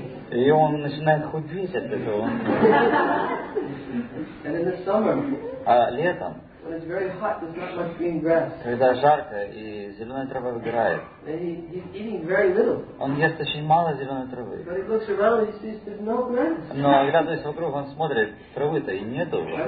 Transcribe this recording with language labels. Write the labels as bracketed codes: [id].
[ru] И он начинает худеть от этого. [en] And in the summer, [ru] а летом, [en] when it's very hot, there's not much green grass. [ru] Когда жарко и зеленая трава выгорает, [en] he's eating very little. [ru] Он ест очень мало зеленой травы. [en] But he looks around, he sees there's no grass. [ru] Но оглядываясь вокруг, он смотрит, травы-то и нету.